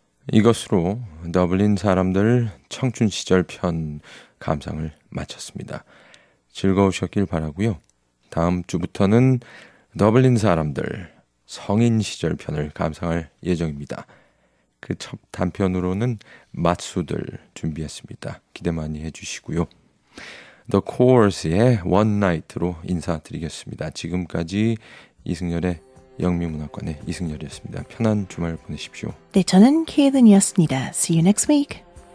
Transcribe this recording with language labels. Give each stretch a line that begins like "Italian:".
Korean: 이것으로 더블린 사람들 청춘 시절 편 감상을 마쳤습니다. 즐거우셨길 바라고요. 다음 주부터는 더블린 사람들 성인 시절 편을 감상할 예정입니다. 그 첫 단편으로는 맛수들 준비했습니다. 기대 많이 해주시고요. The Course의 One Night로 인사드리겠습니다. 지금까지 이승열의 영미문학관의 이승열이었습니다. 편한 주말 보내십시오. 네, 저는 케이든이었습니다.
English: See you next week.